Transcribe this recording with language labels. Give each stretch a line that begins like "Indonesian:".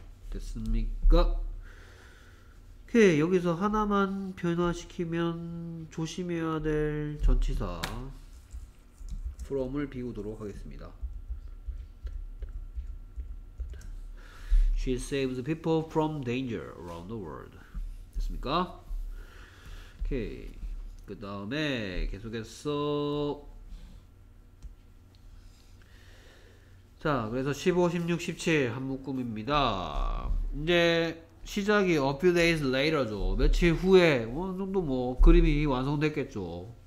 Korean: 됐습니까? 오케이. 여기서 하나만 변화시키면 조심해야 될 전치사 from을 비우도록 하겠습니다.
English: She saves people from danger around the world.
Korean: 됐습니까? 오케이. 그 다음에 계속해서 자, 그래서 15, 16, 17 한 묶음입니다. 이제 시작이
English: a few days later
Korean: 죠. 며칠 후에 어느 정도 뭐 그림이 완성됐겠죠.